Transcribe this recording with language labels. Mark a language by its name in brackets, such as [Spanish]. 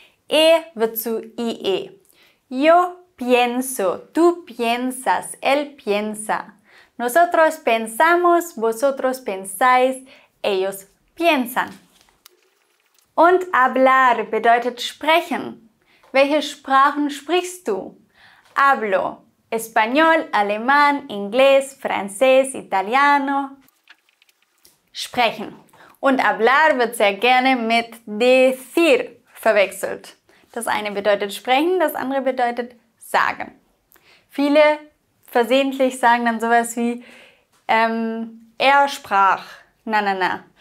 [German] E wird zu IE. [Spanish] Yo pienso. Tú piensas. Él piensa. Nosotros pensamos. Vosotros pensáis. Ellos piensan. [German] Und hablar bedeutet sprechen. Welche Sprachen sprichst du? [Spanish] Hablo español, alemán, inglés, francés, italiano. [German] Sprechen. Und hablar wird sehr gerne mit decir verwechselt. Das eine bedeutet sprechen, das andere bedeutet sagen. Viele versehentlich sagen dann sowas wie er sprach. Na, na, na.